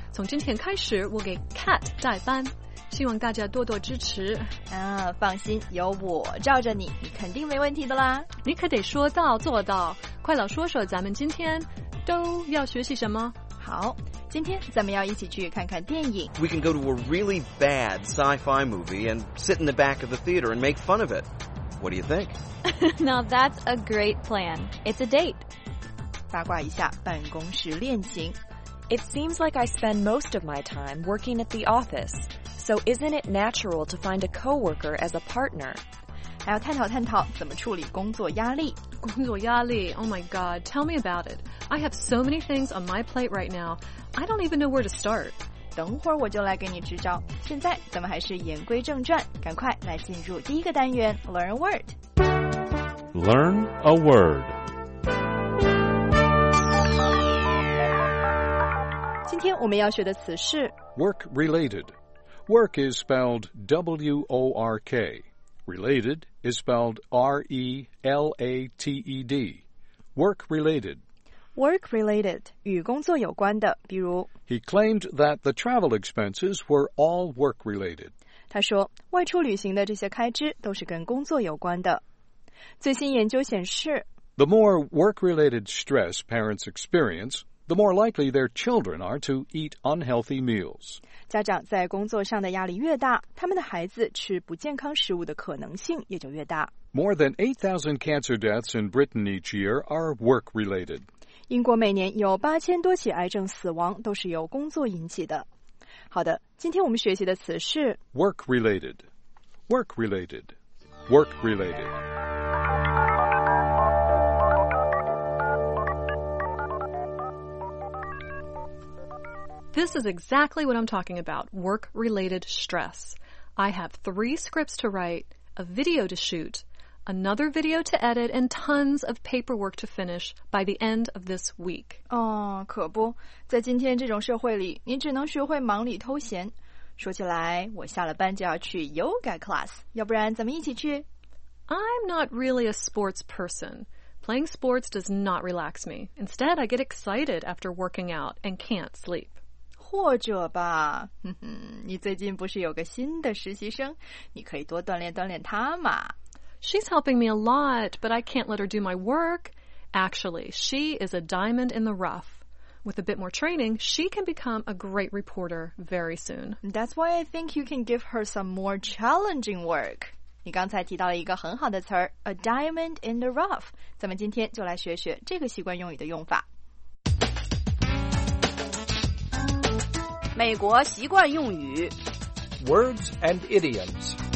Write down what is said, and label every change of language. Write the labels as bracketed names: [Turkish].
[Chinese] 从今天开始，我给 Cat 带班，希望大家多多支持。啊，放心，有我罩着你，你肯定没问题的啦。你可得说到做到，快来说说咱们今天都要学习什么。好，今天咱们要一起去看看电影。 [English] We can go to a really bad sci-fi movie and sit in the back of the theater and make fun of it. What do you think? Now that's a great plan. It's a date. [Chinese] 八卦一下办公室恋情。 [English] It seems like I spend most of my time working at the office, so isn't it natural to find a coworker as a partner? [Chinese] 还要探讨探讨怎么处理工作压力。工作压力 [English] ,oh my god, tell me about it. I have so many things on my plate right now, I don't even know where to start. [Chinese] 等会儿我就来给你支招。现在咱们还是言归正传，赶快来进入第一个单元 ,Learn a Word。 [English] Learn a word. [Chinese] 今天我们要学的词是 [English] work related. Work is spelled W-O-R-K. Related is spelled R-E-L-A-T-E-D. Work related. Work related, [Chinese] 与工作有关的，比如 [English] He claimed that the travel expenses were all work related. [Chinese] 他说，外出旅行的这些开支都是跟工作有关的。最新研究显示 [English] The more work-related stress parents experience, the more likely their children are to eat unhealthy meals. [Chinese] 家长在工作上的压力越大，他们的孩子吃不健康食物的可能性也就越大。 [English] More than 8,000 cancer deaths in Britain each year are work-related. [Chinese] 英国每年有8000多起癌症死亡都是由工作引起的。好的，今天我们学习的词是 [English] work-related, work-related, work-related. This is exactly what I'm talking about, work-related stress. I have 3 scripts to write, a video to shoot, another video to edit, and tons of paperwork to finish by the end of this week. [Chinese] 哦，可不，在今天这种社会里，你只能学会忙里偷闲。说起来，我下了班就要去 yoga class, 要不然咱们一起去。 [English] I'm not really a sports person. Playing sports does not relax me. Instead, I get excited after working out and can't sleep. [Chinese] 或者吧，你最近不是有个新的实习生，你可以多锻炼锻炼她嘛。 [English] She's helping me a lot, but I can't let her do my work. Actually, she is a diamond in the rough. With a bit more training, she can become a great reporter very soon. That's why I think you can give her some more challenging work. [Chinese] 你刚才提到了一个很好的词儿 [English] a diamond in the rough. [Chinese] 咱们今天就来学学这个习惯用语的用法。美国习惯用语 [English] Words and idioms